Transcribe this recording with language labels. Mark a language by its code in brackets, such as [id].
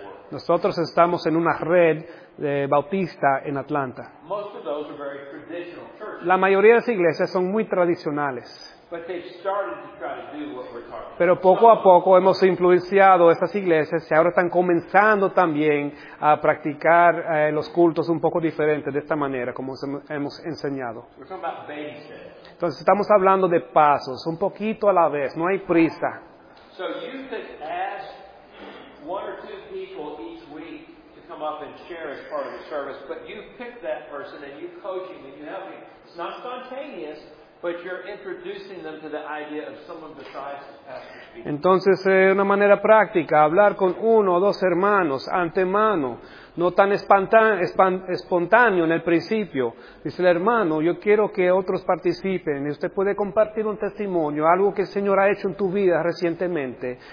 [es] Nosotros estamos en una red de bautista en Atlanta. [en] Most of those are very traditional churches. [es] La mayoría de las iglesias son muy tradicionales. [en] But they've started to try to do what we're talking about. [es] Pero poco a poco hemos influenciado estas iglesias y ahora están comenzando también a practicar los cultos un poco diferentes de esta manera, como hemos enseñado. [en] We're talking about baby steps. [es] Entonces estamos hablando de pasos, un poquito a la vez, no hay prisa. [en] So you could ask one or two people each week to come up and share as part of the service, but you pick that person and you coach him and you help him. It's not spontaneous. But you're introducing them to the idea of someone besides the pastor speaking. [es] Entonces, una manera práctica, hablar con uno o dos hermanos antemano, no tan espontáneo en el principio. Dice el hermano, yo quiero que otros participen. Y usted puede compartir un testimonio, algo que el Señor ha hecho en tu vida recientemente.